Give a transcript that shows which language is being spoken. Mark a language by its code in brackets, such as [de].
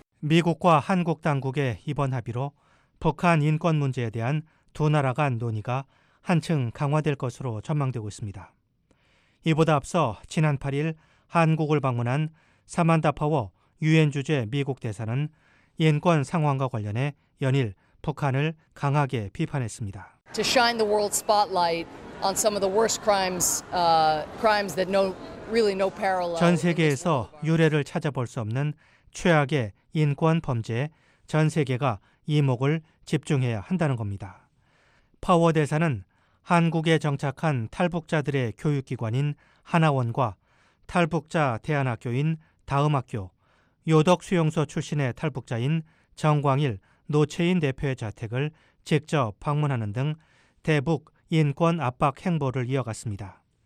[ko] 미국과 한국 당국의 이번 합의로 북한 인권 문제에 대한 두 나라 간 논의가 한층 강화될 것으로 전망되고 있습니다. 이보다 앞서 지난 8일 한국을 방문한 사만다 파워 유엔 주재 미국 대사는 인권 상황과 관련해 연일 북한을 강하게 비판했습니다. [en] To shine the world spotlight on some of the worst crimes, crimes that no really no parallel. [ko] 전 세계에서 유례를 찾아볼 수 없는 최악의 인권 범죄에 전 세계가 이목을 집중해야 한다는 겁니다. 파워 대사는 한국에 정착한 탈북자들의 교육기관인 하나원과 탈북자 대안학교인 다음학교, 요덕수용소 출신의 탈북자인 정광일, 노채인 대표의 자택을 직접 방문하는 등 대북 인권 압박 행보를 이어갔습니다.